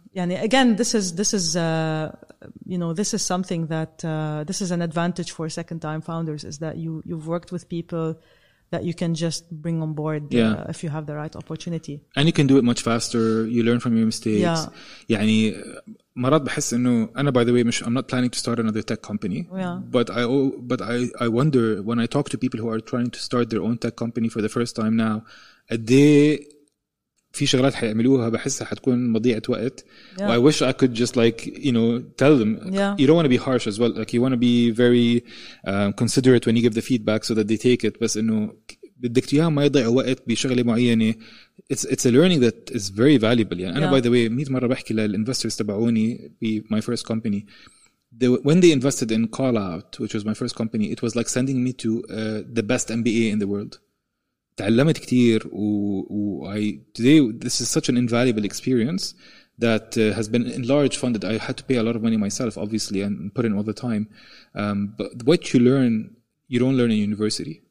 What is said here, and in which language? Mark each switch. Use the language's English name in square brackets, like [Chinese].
[English] Yeah, again, this is something that this is an advantage for second time founders, is that you've worked with people that you can just bring on board if you have the right opportunity. And you can do it much faster. You learn from your mistakes. Yeah. [Arabic] يعني مرات بحس إنه أنا, [English] by the way, I'm not planning to start another tech company. Yeah. But I wonder when I talk to people who are trying to start their own tech company for the first time now, they. [Arabic] في شغلات حيعملوها بحسها حتكون مضيعة وقت. [English] I wish I could just tell them. Yeah. You don't want to be harsh as well. Like you want to be very considerate when you give the feedback so that they take it. [Arabic] بس إنه بدك إياهم ما يضيعوا وقت بشغلة معينة. [English] It's a learning that is very valuable. [Arabic] يعني. Yeah. أنا [English] by the way [Arabic] 100 مرة بحكي للإنفسترز تبعوني في [English] my first company. When they invested in Call Out, which was my first company, it was like sending me to the best MBA in the world. [Arabic] تعلمت كتير و [English] today this is such an invaluable experience that has been enlarged funded. I had to pay a lot of money myself, obviously, and put in all the time. But what you learn, you don't learn in university.